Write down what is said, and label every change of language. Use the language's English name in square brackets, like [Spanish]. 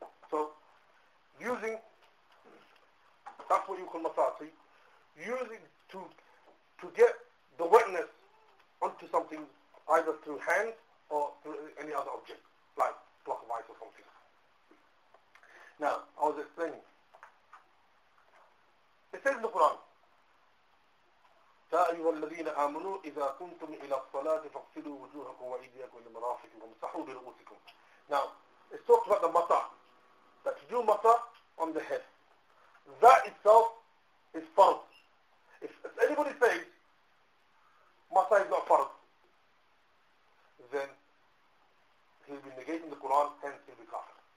[English] So, using, that's what you call masaha. So using to get the wetness onto something, either through hand or through any other object, like block of ice or something. Now, I was explaining. It says in the Quran, [Arabic] يَا أَيُّهَا الَّذِينَ آمَنُوا إِذَا كُنْتُمْ إِلَى الصَّلَاةِ فَاغْسِلُوا وُجُوهَكُمْ وَأَيْدِيَكُمْ إِلَى الْمَرَافِقِ وَامْسَحُوا بِرُءُوسِكُمْ. [English] Now, it's talking about the matah. That to do matah on the head. That itself is fard. If anybody says, Masa is not fard, then he'll be negating the Quran, hence he'll be kafir.